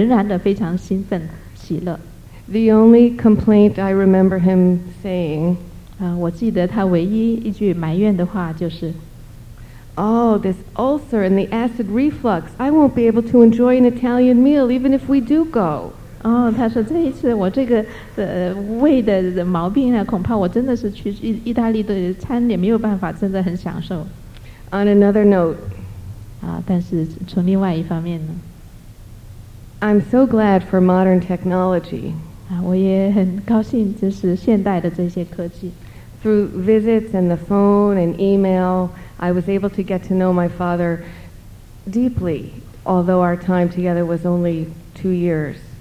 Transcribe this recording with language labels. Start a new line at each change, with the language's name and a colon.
Chinese: 医院的医生跟护士都觉得很稀奇，因为他心脏又有问题，还要必须要有一个发波器放在他的，但是他仍然的非常兴奋喜乐。
English: The only complaint I remember him saying,
Chinese: 我记得他唯一一句埋怨的话就是,
English: Oh, this ulcer and the acid reflux, I won't be able to enjoy an Italian meal even if we do go.
Chinese: 他说这一次我这个胃的毛病，恐怕我真的是去意大利的餐也没有办法真的很享受。
English: On another note,
Chinese: 但是从另外一方面呢,
English: I'm so glad for modern technology.
Chinese: 我也很高兴就是现代的这些科技。
English: Through visits and the phone and email, I was able to get to know my father deeply, although our time together was only 2 years.